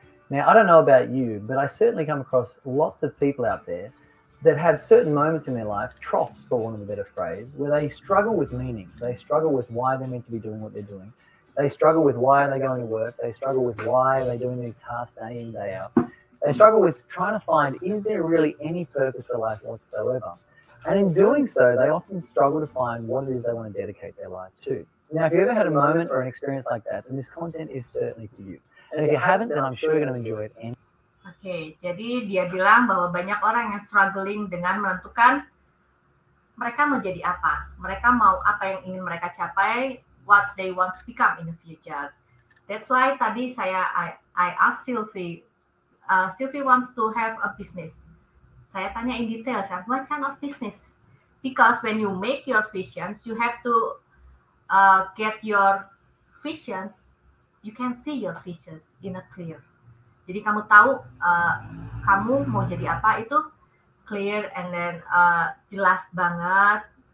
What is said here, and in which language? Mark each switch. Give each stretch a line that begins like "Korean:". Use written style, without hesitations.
English: Now, I don't know about you, but I certainly come across lots of people out there that have certain moments in their life, troughs for want of a better phrase, where they struggle with meaning, they struggle with why they're meant to be doing what they're doing, they struggle with why are they going to work, they struggle with why are they doing these tasks day in, day out. They struggle with trying to find, is there really any purpose for life whatsoever? And in doing so, they often struggle to find what it is they want to dedicate their life to. Now, if you ever had a moment or an experience like that, then this content is certainly for you. And if you haven't, then I'm sure you're going to enjoy it.
Indonesian: Okay, jadi dia bilang bahwa banyak orang yang struggling dengan menentukan mereka mau jadi apa. Mereka mau apa yang ingin mereka capai,
English: what they want to become in the future. That's why
Indonesian: tadi saya,
English: I asked Sylvie, Sylvie wants to have a business.
Indonesian: Saya tanya
English: in detail, saya, what kind of business? Because when you make your visions, you have to get your visions, you can see your visions in a clear.
Indonesian: Jadi kamu tahu kamu mau jadi apa itu
English: clear and then
Indonesian: jelas banget.